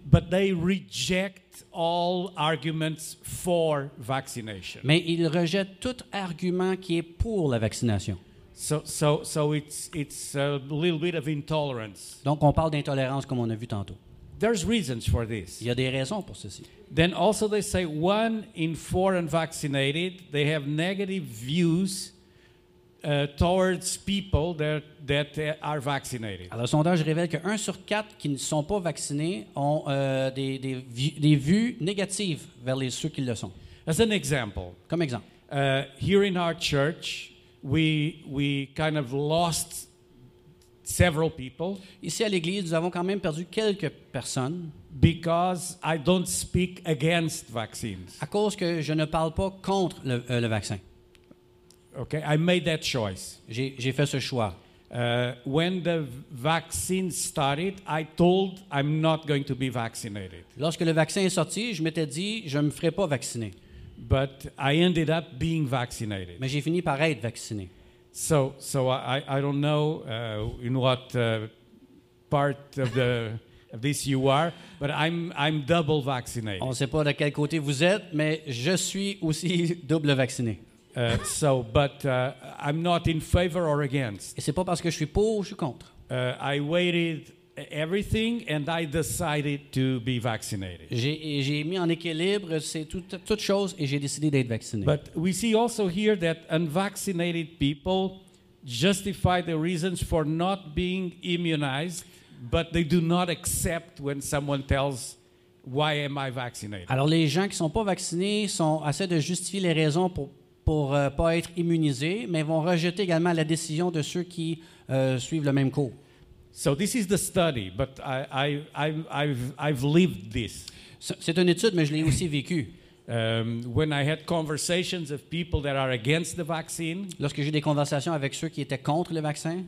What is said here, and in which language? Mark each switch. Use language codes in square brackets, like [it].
[en] But they reject all arguments for vaccination. [fr] Mais ils rejettent tout argument qui est pour la vaccination. [en] So it's a little bit of intolerance. [fr] Donc on parle d'intolérance comme on a vu tantôt. [en] There's reasons for this. [fr] Il y a des raisons pour ceci. [en] Then also they say one in four unvaccinated, they have negative views towards people that are vaccinated. [fr] Alors, le sondage révèle que 1 sur 4 qui ne sont pas vaccinés ont des vues négatives vers ceux qui le sont. [en] As an example. [fr] Comme exemple. [en] Here in our church, we kind of lost several people. [fr] Ici à l'église, nous avons quand même perdu quelques personnes. [en] Because I don't speak against vaccines. [fr] À cause que je ne parle pas contre le vaccin. [en] Okay, I made that choice. [fr] J'ai fait ce choix. [en] When the vaccine started, I told I'm not going to be vaccinated. [fr] Lorsque le vaccin est sorti, je m'étais dit je me ferai pas vacciner. [en] But I ended up being vaccinated. [fr] Mais j'ai fini par être vacciné. [en] So I don't know in what part of the of this you are, but I'm double vaccinated. [fr] On sait pas de quel côté vous êtes, mais je suis aussi double vacciné. [en] So, I'm not in favor or against. [fr] Et c'est pas parce que je suis pour ou je suis contre. [en] I weighed everything and I decided to be vaccinated. [fr] J'ai mis en équilibre c'est toute chose et j'ai décidé d'être vacciné. [en] But we see also here that unvaccinated people justify the reasons for not being immunized, but they do not accept when someone tells. Why am I vaccinated? [fr] Alors les gens qui sont pas vaccinés sont assez de justifier les raisons pour pas être immunisés, mais vont rejeter également la décision de ceux qui suivent le même cours. [en] So this is the study, but I've lived this. [fr] C'est une étude, mais je l'ai aussi vécu. [en] When I had conversations of people that are against the vaccine, [fr] lorsque j'ai des conversations avec ceux qui étaient contre le vaccin,